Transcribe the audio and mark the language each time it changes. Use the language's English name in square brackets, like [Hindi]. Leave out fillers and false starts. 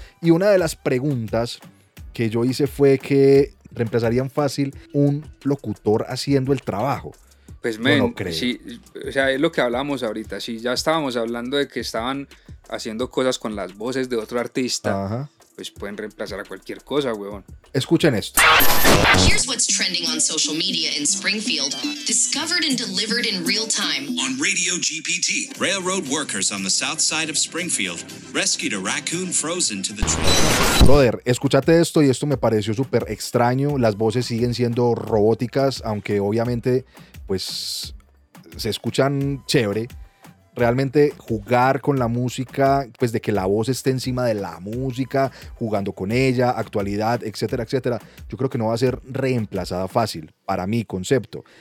[Spanish] Y una de las preguntas que yo hice fue que reemplazarían fácil un locutor haciendo el trabajo. Pues, men, sí, o sea, es lo que hablábamos ahorita. Sí, ya estábamos hablando de que estaban haciendo cosas con las voces de otro artista. Ajá. Pues pueden reemplazar a cualquier cosa, huevón. Escuchen esto. [English] Here's what's trending on social media in Springfield, discovered and delivered in real time on Radio GPT. Railroad workers on the south side of Springfield rescued a raccoon frozen to the train. [Spanish] Brother, escúchate esto, y esto me pareció súper extraño. Las voces siguen siendo robóticas, aunque obviamente, pues, se escuchan chévere. Realmente jugar con la música, pues de que la voz esté encima de la música, jugando con ella, actualidad, etcétera, etcétera, yo creo que no va a ser reemplazada fácil, para mi concepto.